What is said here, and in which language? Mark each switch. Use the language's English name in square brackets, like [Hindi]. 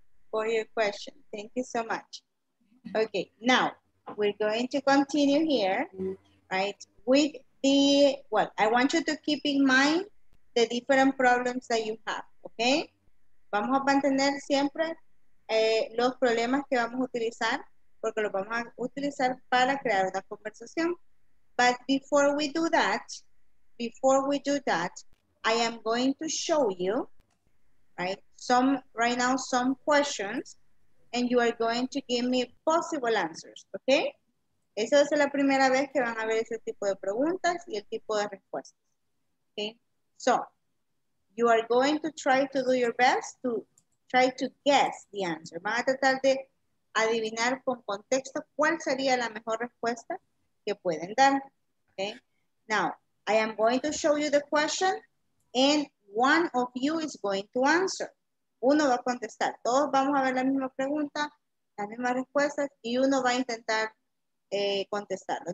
[English] For your question, thank you so much. Okay, now we're going to continue here, right? With the, well, I want you to keep in mind the different problems that you have, okay? [Spanish] Vamos a mantener siempre los problemas que vamos a utilizar, porque los vamos a utilizar para crear una conversación. [English] But before we do that, I am going to show you, right, some questions, and you are going to give me possible answers, okay? [Spanish] Esa es la primera vez que van a ver ese tipo de preguntas y el tipo de respuestas, okay? [English] So, you are going to try to do your best to try to guess the answer. [Spanish] Van a tratar de adivinar con contexto cuál sería la mejor respuesta que pueden dar, okay? [English] Now, I am going to show you the question, and one of you is going to answer. [Spanish] Uno va a contestar. Todos vamos a ver la misma pregunta, las mismas respuestas, y uno va a intentar contestarlo.